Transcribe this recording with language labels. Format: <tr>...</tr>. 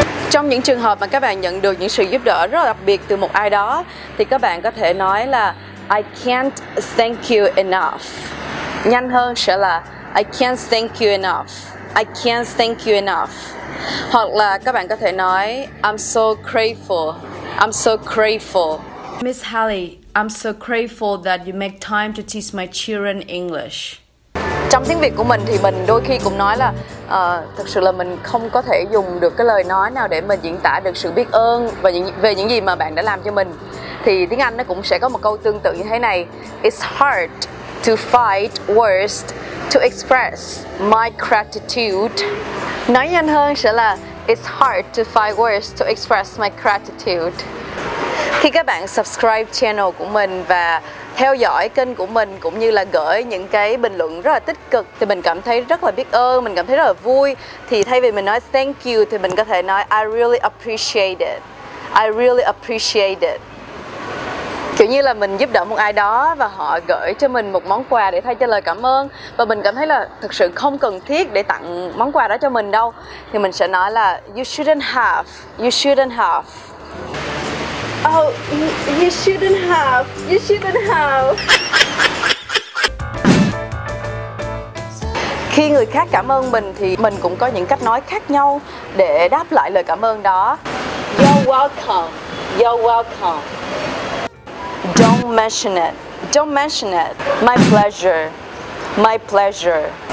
<vi>Trong những trường hợp mà các bạn nhận được những sự giúp đỡ rất là đặc biệt từ một ai đó, thì các bạn có thể nói là</vi> <en>I can't thank you enough.</en> <vi>Nhanh hơn sẽ là</vi> <en>I can't thank you enough. I can't thank you enough.</en> <vi>Hoặc là các bạn có thể nói</vi> <en>I'm so grateful. I'm so grateful. Miss Hallie, I'm so grateful that you make time to teach my children English.</en> <vi>Trong tiếng Việt của mình thì mình đôi khi cũng nói là thật sự là mình không có thể dùng được cái lời nói nào để mình diễn tả được sự biết ơn và về những gì mà bạn đã làm cho mình. Thì tiếng Anh nó cũng sẽ có một câu tương tự như thế này.</vi> <en>It's hard to find words to express my gratitude.</en> <vi>Nói nhanh hơn sẽ là</vi> <en>It's hard to find words to express my gratitude.</en> <vi>Khi các bạn subscribe channel của mình và theo dõi kênh của mình cũng như là gửi những cái bình luận rất là tích cực thì mình cảm thấy rất là biết ơn, mình cảm thấy rất là vui. Thì thay vì mình nói</vi> <en>thank you</en> <vi>thì mình có thể nói</vi> <en>I really appreciate it. I really appreciate it.</en> <vi>Kiểu như là mình giúp đỡ một ai đó và họ gửi cho mình một món quà để thay cho lời cảm ơn, và mình cảm thấy là thực sự không cần thiết để tặng món quà đó cho mình đâu, thì mình sẽ nói là</vi> <en>you shouldn't have, you shouldn't have. Oh, you shouldn't have, you shouldn't have.</en> <vi>Khi người khác cảm ơn mình thì mình cũng có những cách nói khác nhau để đáp lại lời cảm ơn đó.</vi> <en>You're welcome, you're welcome. Don't mention it, don't mention it. My pleasure, my pleasure.</en>